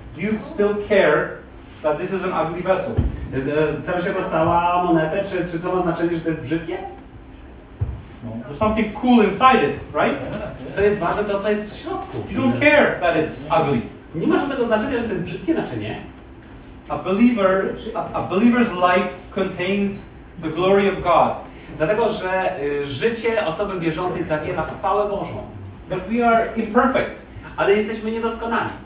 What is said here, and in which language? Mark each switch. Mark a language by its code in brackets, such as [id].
[en] You still care that this is an ugly vessel. [pl] Chcesz się dostała monetę, czy to ma znaczenie, że to jest brzydkie? [en] No. There's something cool inside it, right? [pl] Co jest ważne, to co jest w środku. [en] You don't care that it's ugly. [pl] Nie ma żadnego znaczenia, że to jest brzydkie naczynie. [en] A believer's life contains the glory of God. [pl] Dlatego, że życie osoby wierzącej zawiera chwałę Bożą. [en] But we are imperfect. [pl] Ale jesteśmy niedoskonali.